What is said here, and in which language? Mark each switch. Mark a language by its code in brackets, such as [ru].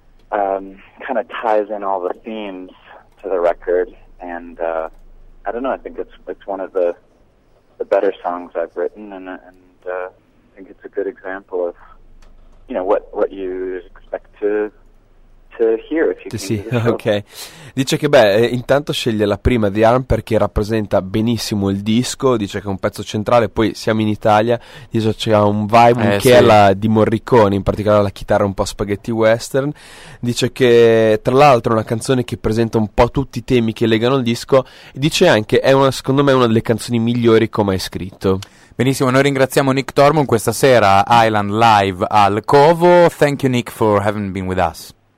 [en] kind of ties in all the themes to the record, and I don't know, I think it's one of the better songs I've written, and I think it's a good example of, you know, what you expect to hear if you see. Okay. [it] Dice che intanto sceglie la prima, The Arm, perché rappresenta benissimo il disco, dice che è un pezzo centrale, poi siamo in Italia, dice c'è un vibe che sì. È la di Morricone, in particolare la chitarra un po' spaghetti western, dice che tra l'altro è una canzone che presenta un po' tutti i temi che legano il disco, dice anche è una, secondo me, una delle canzoni migliori come hai scritto. Benissimo, noi ringraziamo Nick Tormund questa sera Island Live al Covo. [en] Thank you Nick for having been with us.